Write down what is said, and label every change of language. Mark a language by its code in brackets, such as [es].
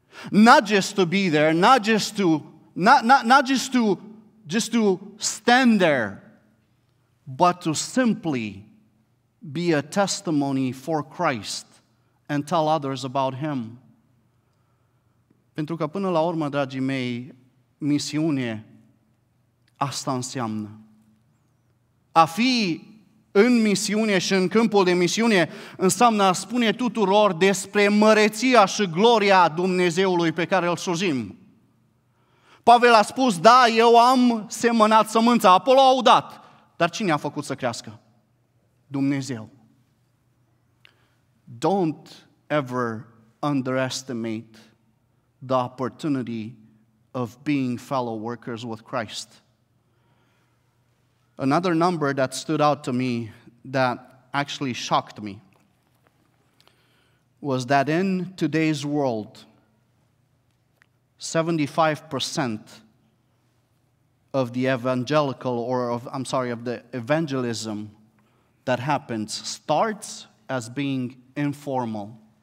[en] Not just to be there, not just to stand there, but to simply be a testimony for Christ and tell others about Him. [ro] Pentru că până la urmă, dragii mei, misiune, asta înseamnă. A fi în misiune și în câmpul de misiune înseamnă a spune tuturor despre măreția și gloria Dumnezeului pe care îl slujim. Pavel a spus, da, eu am semănat sămânța, Apolo a udat. Dar cine a făcut să crească? Dumnezeu. [en] Don't ever underestimate the opportunity of being fellow workers with Christ. Another number that stood out to me that actually shocked me was that in today's world, 75% of the evangelism that happens starts as being informal.